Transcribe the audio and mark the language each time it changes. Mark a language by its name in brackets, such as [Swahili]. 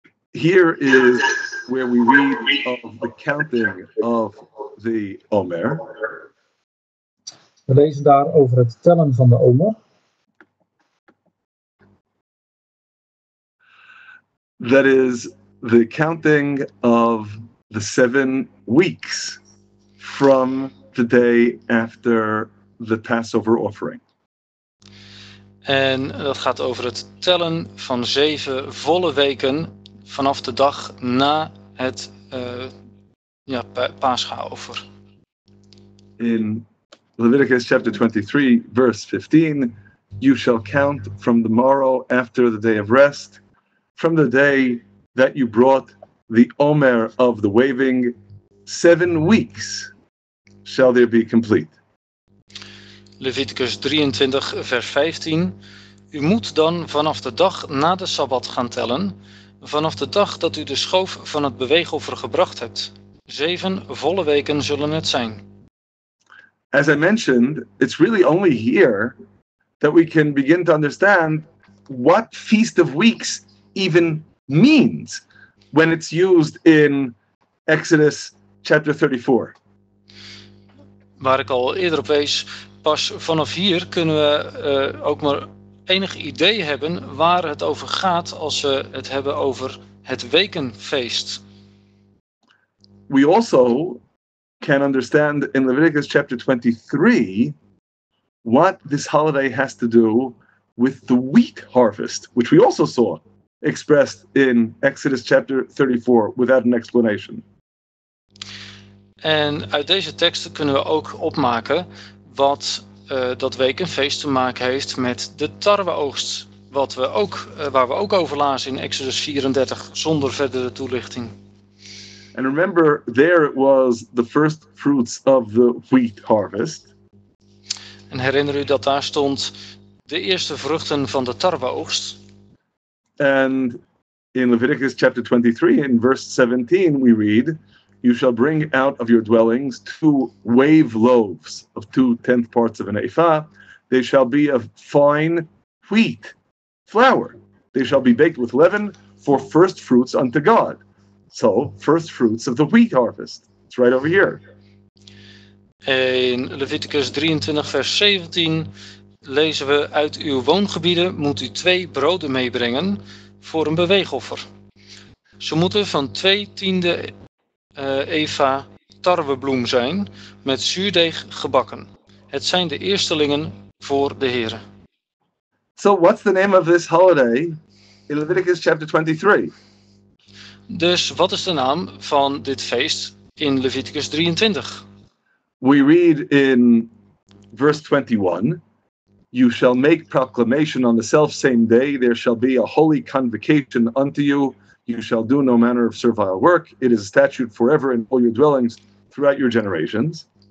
[English] Here is where we read of the counting of the Omer. [Dutch] We lezen daar over het tellen van de Omer. [English] That is the counting of the 7 weeks. From the day after the Passover offering. [Dutch] En dat gaat over het tellen van 7 volle weken vanaf de dag na het Pascha-offer. [English] In Leviticus chapter 23, verse 15, you shall count from the morrow after the day of rest, from the day that you brought the Omer of the waving, 7 weeks shall there be complete. [Dutch] Leviticus 23, vers 15. U moet dan vanaf de dag na de Sabbat gaan tellen, vanaf de dag dat u de schoof van het beweegoffer gebracht hebt. 7 volle weken zullen het zijn. [English] As I mentioned, it's really only here that we can begin to understand what Feast of Weeks even means when it's used in Exodus chapter 34. [Dutch] Waar ik al eerder op wees, pas vanaf hier kunnen we ook maar enig idee hebben waar het over gaat als we het hebben over het wekenfeest. [English] We also can understand in Leviticus chapter 23 what this holiday has to do with the wheat harvest, which we also saw expressed in Exodus chapter 34 without an explanation. [Dutch] En uit deze teksten kunnen we ook opmaken wat dat wekenfeest te maken heeft met de tarweoogst, wat we ook, waar we ook over lazen in Exodus 34 zonder verdere toelichting. [English] And remember, there it was the first fruits of the wheat harvest. [Dutch] En herinner u dat daar stond de eerste vruchten van de tarweoogst. [English] And in Leviticus chapter 23, in verse 17, we read, you shall bring out of your dwellings 2 wave loaves of 2/10 parts of an ephah. They shall be of fine wheat flour. They shall be baked with leaven for first fruits unto God. So, first fruits of the wheat harvest. It's right over here. [Dutch] In Leviticus 23, vers 17 lezen we: uit uw woongebieden moet u 2 broden meebrengen voor een beweegoffer. Ze moeten van 2/10 eva tarwebloem zijn, met zuurdeeg gebakken. Het zijn de eerstelingen voor de Heere. [English] So, what's the name of this holiday in Leviticus chapter 23? [Dutch] Dus wat is de naam van dit feest in Leviticus 23? [English] We read in verse 21, you shall make proclamation on the selfsame day, there shall be a holy convocation unto you, you shall do no manner of servile work, it is a statute forever in all your dwellings throughout your generations.